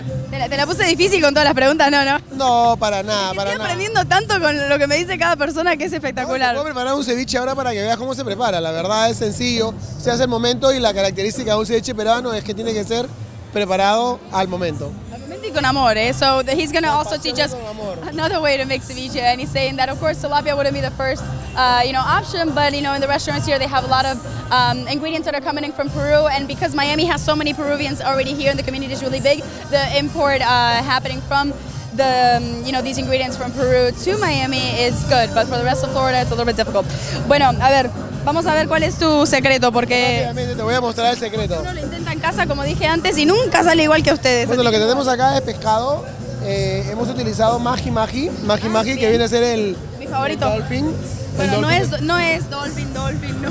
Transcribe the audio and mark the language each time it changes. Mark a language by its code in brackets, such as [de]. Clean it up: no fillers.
[es] Te la puse difícil con todas las preguntas, ¿no? No, para nada, para nada. Estoy aprendiendo tanto con lo que me dice cada persona que es espectacular. Voy a preparar un ceviche ahora para que veas cómo se prepara. La verdad es sencillo, se hace el momento y la característica de un ceviche peruano es que tiene que ser preparado al momento. Y con amor, ¿eh? [en] So he's going to also teach us another way to make ceviche, and he's saying that of course tilapia wouldn't be the first option, but you know, in the restaurants here they have a lot of ingredients that are coming in from Peru, and because Miami has so many Peruvians already here and the community is really big, the import happening from the these ingredients from Peru to Miami is good, but for the rest of Florida it's a little bit difficult. [es] Bueno, a ver, vamos a ver cuál es tu secreto, porque te voy a mostrar el secreto. Casa, como dije antes, y nunca sale igual que ustedes. Bueno, lo que tenemos acá es pescado. Hemos utilizado maji maji, que viene a ser el mi favorito. El dolphin. Pero no es Dolphin, Dolphin, no.